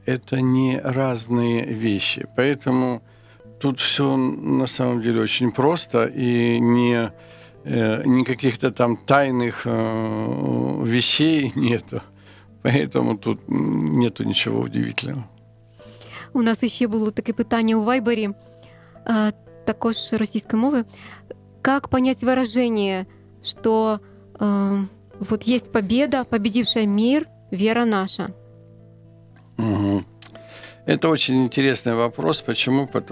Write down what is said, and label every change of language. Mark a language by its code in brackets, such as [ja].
[ru] Это не разные вещи. Поэтому тут все на самом деле очень просто, и ни каких-то там тайных вещей нету. Поэтому тут нету ничего удивительного. [uk] У нас еще было таке питання у Вайбері, також російської мови. [ru] Как понять выражение, что вот есть победа, победившая мир, вера наша? Это очень интересный вопрос. Почему?